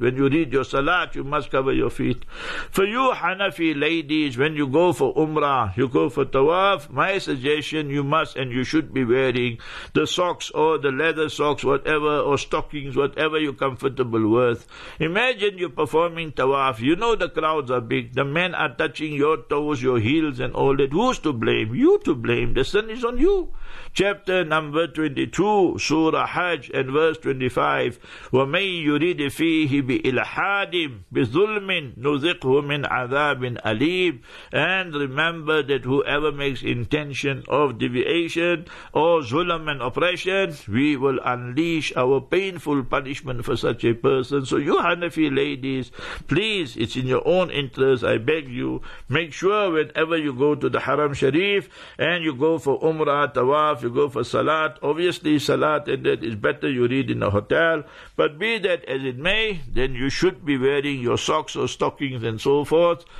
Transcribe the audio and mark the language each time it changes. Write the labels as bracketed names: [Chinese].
[English] When you read your salat, you must cover your feet. For you Hanafi ladies, when you go for umrah, you go for tawaf, my suggestion, you must and you should be wearing the socks or the leather socks, whatever, or stockings, whatever you're comfortable with. Imagine you're performing tawaf, you know the crowds are big, the men are touching your toes, your heels and all that. Who's to blame? You to blame. The sin is on you. Chapter number 22, Surah Hajj, and verse 25, [Arabic] وَمَنْ يُرِدِ فِيهِ بِإِلْحَادٍ بِظُلْمٍ نُذِقْهُ مِنْ عَذَابٍ أَلِيمٍ. [English] And remember that whoever makes intention of deviation or zulm and oppression, we will unleash our painful punishment for such a person. So you Hanafi ladies, please, it's in your own interest, I beg you, make sure whenever you go to the Haram Sharif and you go for Umrah, Tawaf, you go for Salat, obviously Salat and that is better you read in a hotel, but be that as it may, then you should be wearing your socks or stockings and so forth.